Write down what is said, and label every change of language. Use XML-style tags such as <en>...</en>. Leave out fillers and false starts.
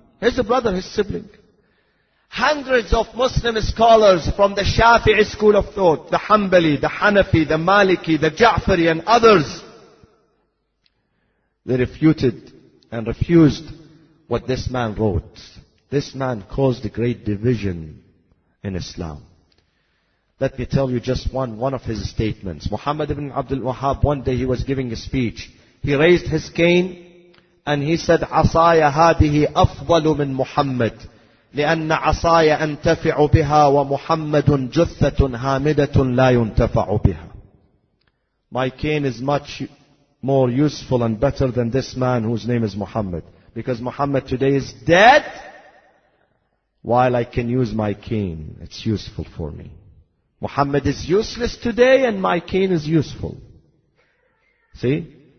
<en>His brother, his sibling. Hundreds of Muslim scholars from the Shafi'i school of thought, the Hanbali, the Hanafi, the Maliki, the Ja'fari and others, they refuted and refused what this man wrote. This man caused a great division in Islam. Let me tell you just one of his statements. Muhammad ibn Abdul Wahhab, one day he was giving a speech. He raised his cane and he said,</en> <ar>عصايا هذه أفضل من محمد لأن عصايا أنتفع بها ومحمد جثة هامدة لا ينتفع بها.</ar> <en>My cane is much more useful and better than this man whose name is Muhammad. Because Muhammad today is dead, while I can use my cane, it's useful for me. Muhammad is useless today and my cane is useful. See?</en>